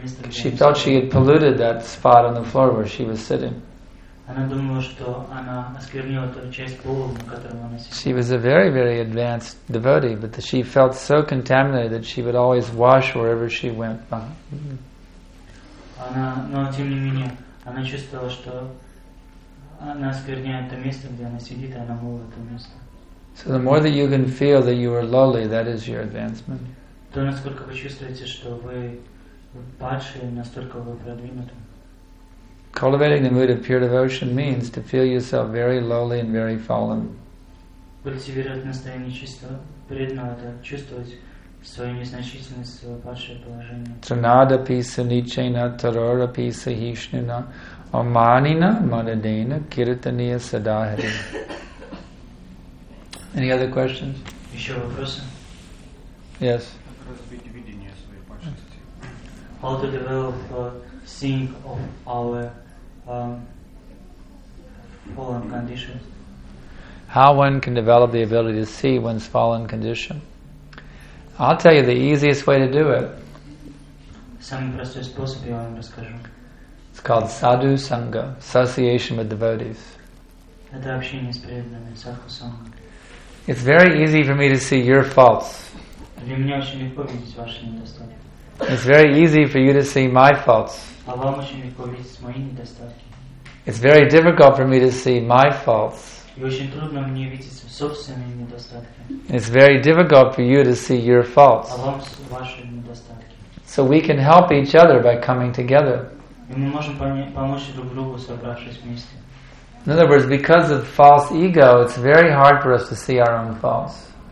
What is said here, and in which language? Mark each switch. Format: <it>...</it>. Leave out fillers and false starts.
<en>She felt she had polluted that spot on the floor where she was sitting. She was a very, very advanced devotee, but she felt so contaminated that she would always wash wherever she went.</en> <ru>но тем не менее она чувствовала, что она оскверняет то место, где она сидит, и она мыла это место.</ru> <en>So the more that you can feel that you are lowly, that is your advancement.</en> <ru>То насколько вы чувствуете, что вы падшие, настолько вы продвинуты.</ru> <en>Cultivating the mood of pure devotion means to feel yourself very lowly and very fallen.</en> <ru>Культивировать настроение чистого преданного — это чувствовать свою незначительность, свое падшее положение.</ru> <sa>Тринадапи санитчайна тарорапи сахишнина оманина мададена киртания садахари.</sa> <en>Any other questions?</en> <ru>Еще вопросы?</ru> <en>Yes.</en> <ru>Разбить видение своей падшести.</ru> <en>How to develop a seeing of our fallen condition. How one can develop the ability to see one's fallen condition. I'll tell you the easiest way to do it.</en> <ru>Самый простой способ я вам расскажу.</ru> <en>It's called sadhu sangha, association with devotees.</en> <ru>Это общение с преданными, садху санга.</ru> <en>It's very easy for me to see your faults.</en> <ru>Для меня очень легко видеть ваши недостатки.</ru> <en>It's very easy for you to see my faults.</en> <ru>А вам очень легко видеть мои недостатки.</ru> <en>It's very difficult for me to see my faults.</en> <ru>И очень трудно мне видеть собственные недостатки.</ru> <en>It's very difficult for you to see your faults.</en> <ru>А вам ваши недостатки.</ru> <en>So we can help each other by coming together.</en> <ru>И мы можем помочь друг другу, собравшись вместе.</ru> <en>In other words, because of false ego, it's very hard for us to see our own faults.</en>